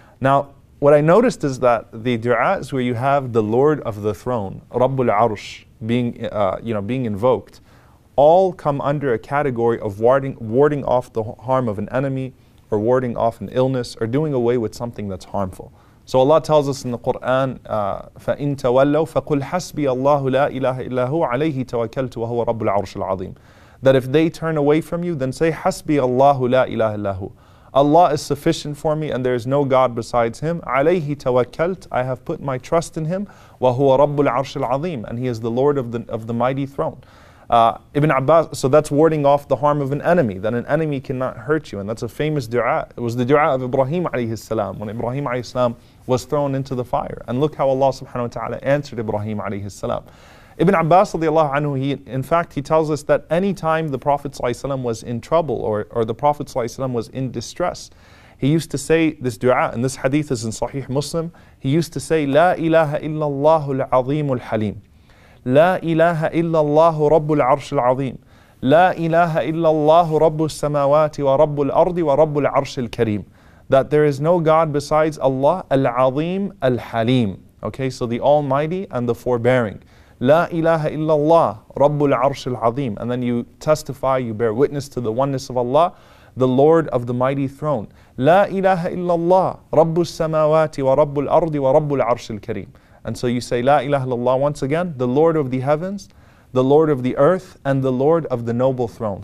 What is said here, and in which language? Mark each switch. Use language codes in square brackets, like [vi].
[en] Now, what I noticed is that the du'as where you have the Lord of the throne, Rabbul Arsh, being invoked, all come under a category of warding off the harm of an enemy, or warding off an illness, or doing away with something that's harmful. So Allah tells us in the Quran, [ar] فَإِن تَوَلَّوْا فَقُلْ حَسْبِيَ اللَّهُ لَا إِلَهَ إِلَّا هُوَ عَلَيْهِ تَوَكَّلْتُ وَهُوَ رَبُّ الْعَرْشِ الْعَظِيمِ. [en] That if they turn away from you, then say, [ar] حَسْبِيَ اللَّهُ لَا إِلَهَ إِلَّا هُوَ. [en] Allah is sufficient for me and there is no God besides Him. [ar] عَلَيْهِ تَوَكَّلْتُ. [en] I have put my trust in Him. [ar] وَهُوَ رَبُّ الْعَرْشِ الْعَظِيمِ. [en] And He is the Lord of the mighty throne. Ibn Abbas, so that's warding off the harm of an enemy, that an enemy cannot hurt you. And that's a famous dua. It was the dua of Ibrahim alayhi salam, when Ibrahim alayhi salam was thrown into the fire. And look how Allah subhanahu wa ta'ala answered Ibrahim alayhi salam. Ibn Abbas radiallahu anhu, he tells us that any time the Prophet sallallahu alayhi wa sallam was in trouble or the Prophet sallallahu alayhi wa sallam was in distress, he used to say this dua, and this hadith is in Sahih Muslim, he used to say, La ilaha illallahu al-azimul halim. [ar] لا إله إلا الله رب العرش العظيم لا إله إلا الله رب السماوات ورب الأرض ورب العرش الكريم. [en] That there is no God besides Allah [ar] العظيم الحليم. [en] Okay, so the Almighty and the Forbearing. [ar] لا إله إلا الله رب العرش العظيم. [en] And then you testify, you bear witness to the oneness of Allah, the Lord of the Mighty Throne. [ar] لا إله إلا الله رب السماوات ورب الأرض ورب العرش الكريم. [en] And so you say, La ilaha illallah, once again, the Lord of the heavens, the Lord of the earth, and the Lord of the noble throne.